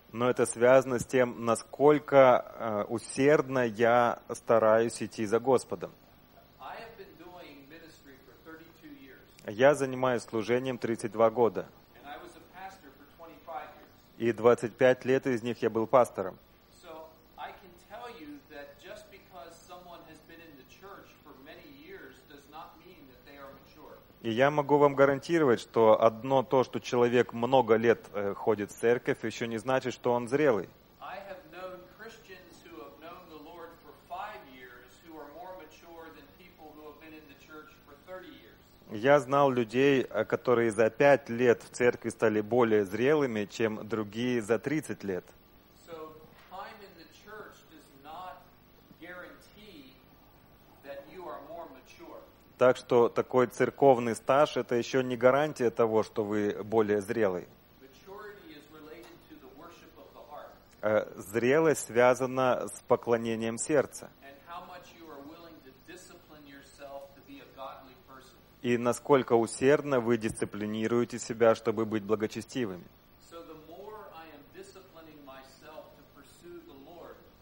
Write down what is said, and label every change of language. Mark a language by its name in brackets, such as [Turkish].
[Russian] Но это связано с тем, насколько усердно я стараюсь идти за Господом. [English] I have been doing ministry for 32 years. [Russian] Я занимаюсь служением 32 года. [English] And I was a pastor for 25 years. [Russian] И 25 лет из них я был пастором. [English] So I can tell you that just because someone has been in the church for many years does not mean that they are mature. [Russian] И я могу вам гарантировать, что одно то, что человек много лет ходит в церковь, еще не значит, что он зрелый. [English] I have known Christians who have known the Lord for 5 years who are more mature than people who have been in the church for 30 years. [Russian] Я знал людей, которые за 5 лет в церкви стали более зрелыми, чем другие за 30 лет. [English] So time in the church does not guarantee that you are more mature. [Russian] Так что такой церковный стаж — это еще не гарантия того, что вы более зрелый. [English] Maturity is related to the worship of the heart. [Russian] Зрелость связана с поклонением сердца. [English] And how much you are willing to discipline yourself to be a godly person. [Russian] И насколько усердно вы дисциплинируете себя, чтобы быть благочестивыми. [English] So the more I am disciplining myself to pursue the Lord.